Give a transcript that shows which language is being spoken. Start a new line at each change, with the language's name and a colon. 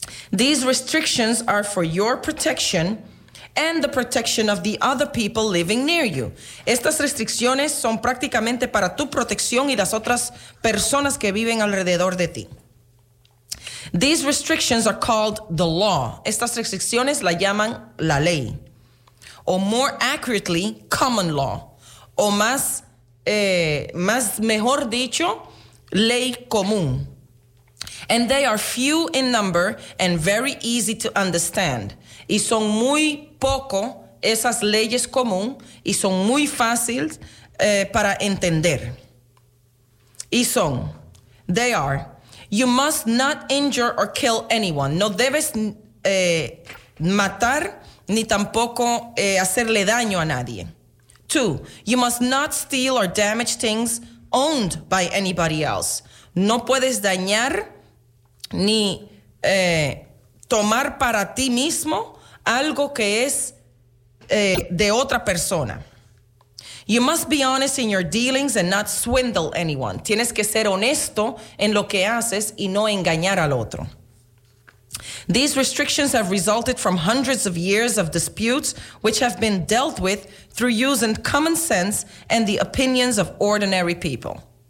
English: These restrictions are for your protection and the protection of the other people living near you.
Spanish: Estas restricciones son prácticamente para tu protección y las otras personas que viven alrededor de ti.
English: These restrictions are called the law.
Spanish: Estas restricciones la llaman la ley.
English: Or more accurately, common law,
Spanish: o más, más mejor dicho, ley común.
English: And they are few in number and very easy to understand.
Spanish: Y son muy poco esas leyes común y son muy fáciles para entender. Y son,
English: they are, you must not injure or kill anyone.
Spanish: No debes matar ni tampoco hacerle daño a nadie.
English: Two, you must not steal or damage things owned by anybody else.
Spanish: No puedes dañar ni tomar para ti mismo algo que es de otra persona.
English: You must be honest in your dealings and not swindle anyone.
Spanish: Tienes que ser honesto en lo que haces y no engañar al otro.
English: These restrictions have resulted from hundreds of years of disputes which have been dealt with through using common sense and the opinions of ordinary people.